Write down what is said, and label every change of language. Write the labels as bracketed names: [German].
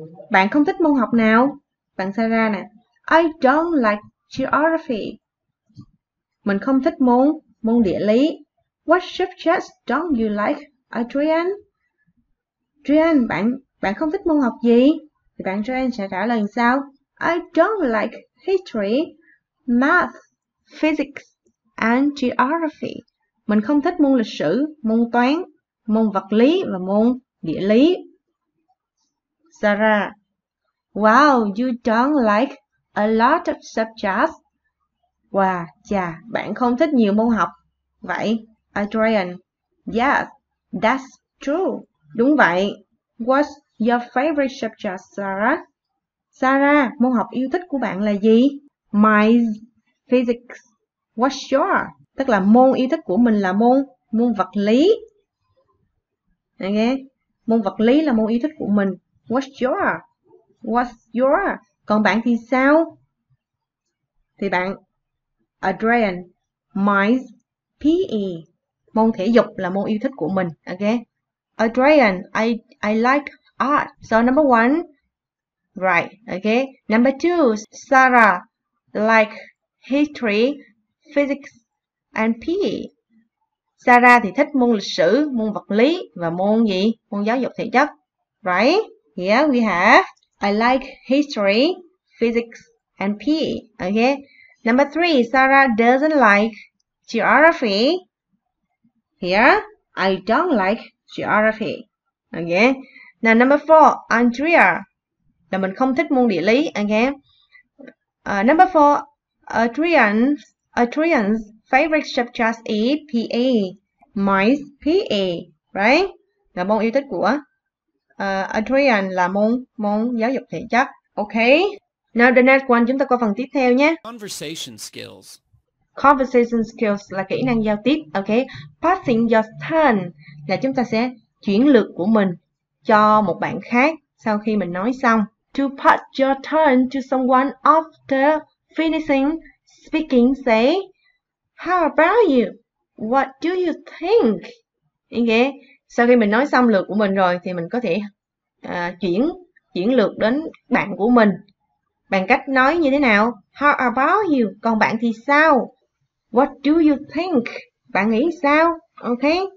[Vietnamese] Bạn không thích môn học nào? Bạn Sarah nè, [English] I don't like geography. [Vietnamese] Mình không thích môn địa lý. [English] What subjects don't you like, [Vietnamese] Adrian? Adrian, bạn không thích môn học gì? Thì bạn Adrian sẽ trả lời sao? [English] I don't like history, math, physics, and geography. [Vietnamese] Mình không thích môn lịch sử, môn toán, môn vật lý và môn địa lý. [English] Sarah, wow, you don't like a lot of subjects. [Vietnamese] Wow, chà, bạn không thích nhiều môn học. Vậy, Adrian, [English] yes, that's true. [Vietnamese] Đúng vậy. [English] What's your favorite subject, Sarah? [Vietnamese] Sarah, môn học yêu thích của bạn là gì? [English] My physics. What's your? [Vietnamese] Tức là môn yêu thích của mình là môn vật lý. Okay. Môn vật lý là môn yêu thích của mình. [English] What's your? What's your? [Vietnamese] Còn bạn thì sao? Thì bạn Adrian, [English] my PE. [Vietnamese] Môn thể dục là môn yêu thích của mình. [English] Okay. Adrian, I like art. So number one, right. Okay. Number two, Sarah like history, physics, and PE. [Vietnamese] Sarah thì thích môn lịch sử, môn vật lý và môn gì? Môn giáo dục thể chất. Right? [English] Here we have I like history, physics, and PE. Okay. Number three, Sarah doesn't like geography. Here, I don't like geography. Okay. Now number four, Andrea. [Vietnamese] Là mình không thích môn địa lý. [English] Okay. Number four, Adrian's favorite subject is PE. Mine's PE. Right? [Vietnamese] Là môn yêu thích của Adrian là môn giáo dục thể chất. Okay. [English] Now the next one, [Vietnamese] chúng ta qua phần tiếp theo nhé. [English] Conversation skills. [Vietnamese] Conversation skills là kỹ năng giao tiếp, okay? [English] Passing your turn [Vietnamese] là chúng ta sẽ chuyển lượt của mình cho một bạn khác sau khi mình nói xong. [English] To pass your turn to someone after finishing speaking, say, how about you? What do you think? Okay? [Vietnamese] Sau khi mình nói xong lượt của mình rồi thì mình có thể chuyển lượt đến bạn của mình bằng cách nói như thế nào? [English] How about you? [Vietnamese] Còn bạn thì sao? [English] What do you think? [Vietnamese] Bạn nghĩ sao? [English] Okay.